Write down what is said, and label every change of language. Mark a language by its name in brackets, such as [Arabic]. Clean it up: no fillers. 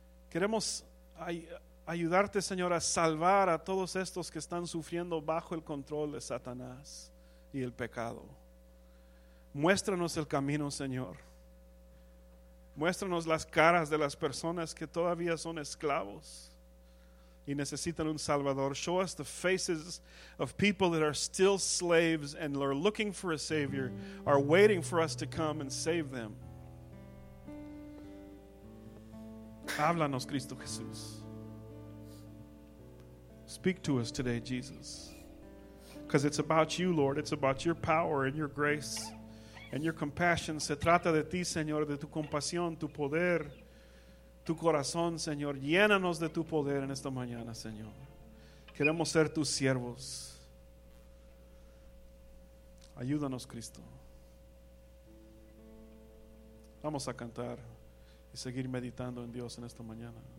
[Spanish] Queremos ayudarte, Señor, a salvar a todos estos que están sufriendo bajo el control de Satanás y el pecado. Muéstranos el camino, Señor. Muéstranos las caras de las personas que todavía son esclavos y necesitan un salvador. [English] Show us the faces of people that are still slaves and are looking for a Savior, are waiting for us to come and save them. [Spanish] Háblanos, Cristo Jesús. [English] Speak to us today, Jesus. Because it's about you, Lord. It's about your power and your grace and your compassion. [Spanish] Se trata de ti, Señor, de tu compasión, tu poder, tu corazón, Señor. Llénanos de tu poder en esta mañana, Señor. Queremos ser tus siervos. Ayúdanos, Cristo. Vamos a cantar y seguir meditando en Dios en esta mañana.